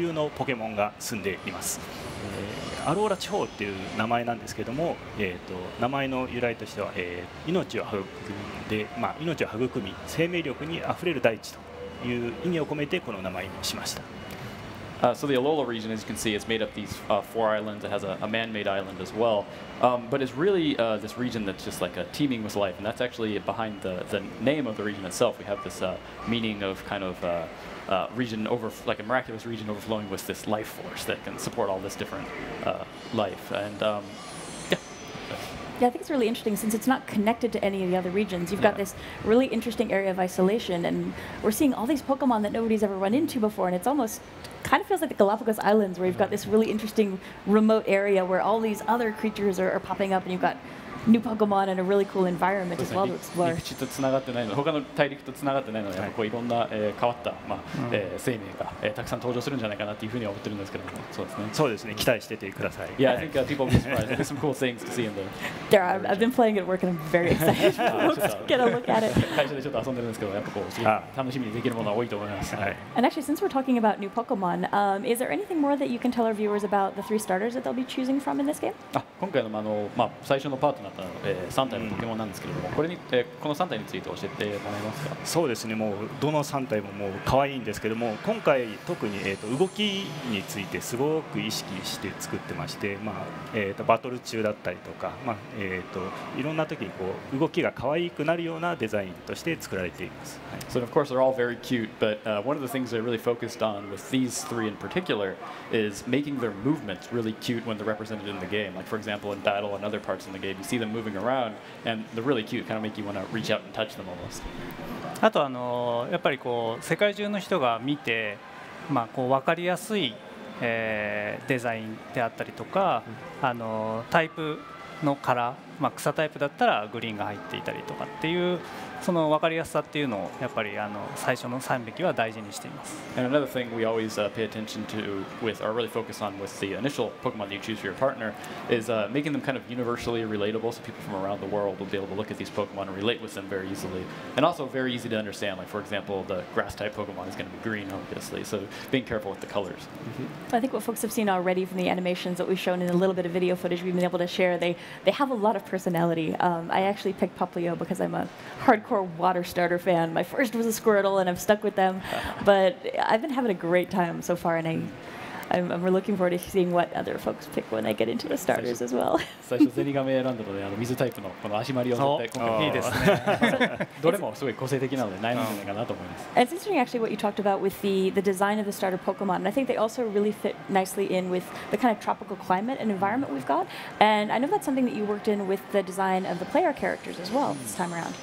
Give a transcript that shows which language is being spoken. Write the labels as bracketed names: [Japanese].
[Japanese] まあ、今回、冒険の舞台となるこのアローラ地方について、どんな地方なのかっていうのはちょっと教えてもらえますか。そうですね、今回のアローラ地方なんですけども、他の陸地とつながっていない地方となってます。なので、アローラ地方固有のポケモンが住んでいます。アローラ地方っていう名前なんですけども、名前の由来としては、命を育んで、命を育み、生命力にあふれる大地という意味を込めてこの名前にしました。 [English] So the Alola region, as you can see, is made up of these four islands. It has a man-made island as well. But it's really this region that's just like a teeming with life. And that's actually behind the name of the region itself. We have this meaning of kind of region over, like a miraculous region overflowing with this life force that can support all this different life. And Yeah, I think it's really interesting since it's not connected to any of the other regions. You've got this really interesting area of isolation, and we're seeing all these Pokemon that nobody's ever run into before, and it's almost kind of feels like the Galapagos Islands, where you've got this really interesting remote area where all these other creatures are popping up, and you've got new Pokemon and a really cool environment as well to explore. [Japanese] 陸地とつながってないので、他の大陸とつながってないので、やっぱこういろんな、変わった、生命が、たくさん登場するんじゃないかなっていうふうに思ってるんですけども、そうですね。そうですね。期待しててください。 [English] Yeah, I think people will be surprised. There's some cool things to see in there. There are. I've been playing at work and I'm very excited to get a look at it. [Japanese] 会社でちょっと遊んでるんですけど、やっぱこう、すごい楽しみにできるものは多いと思います。 [English] And actually, since we're talking about new Pokemon, is there anything more that you can tell our viewers about the three starters that they'll be choosing from in this game? [Japanese] 今回の、最初のパートナーなったの、3体のポケモンなんですけれども、うん、これに、この3体について教えてもらえますか。そうですね、もうどの3体ももう可愛いんですけども、今回特に、動きについてすごく意識して作ってまして、まあバトル中だったりとか、まあいろんな時にこう動きが可愛くなるようなデザインとして作られています。はい、 [English] So of course they're all very cute, but one of the things they're really focused on with these three in particular is making their movements really cute when they're represented in the game. Like for example, in battle and other parts in the game, you see them moving around, and they're really cute, kind of make you want to reach out and touch them almost. [Japanese] あとやっぱりこう世界中の人が見て、まあこう分かりやすい、デザインであったりとか、タイプのカラー、まあ、草タイプだったらグリーンが入っていたりとかっていう。その分かりやすさっていうのをやっぱり最初の3匹は大事にしています。 [English] And another thing we always pay attention to with or really focus on with the initial Pokemon that you choose for your partner is making them kind of universally relatable, so people from around the world will be able to look at these Pokemon and relate with them very easily, and also very easy to understand. Like for example, the grass type Pokemon is going to be green, obviously, so being careful with the colors. Mm-hmm. I think what folks have seen already from the animations that we've shown in a little bit of video footage we've been able to share, they have a lot of personality. I actually picked Popplio because I'm a hard core water starter fan. My first was a Squirtle and I've stuck with them, but I've been having a great time so far, and I'm looking forward to seeing what other folks pick when they get into the starters as well. [Japanese] 最初ゼニガメ選んだので水タイプのこのアシマリを取って今回いいですね。どれもすごい個性的なので悩むんじゃないかなと思います。 [English] It's interesting actually what you talked about with the design of the starter Pokemon, and I think they also really fit nicely in with the kind of tropical climate and environment we've got, and I know that's something that you worked in with the design of the player characters as well this time around.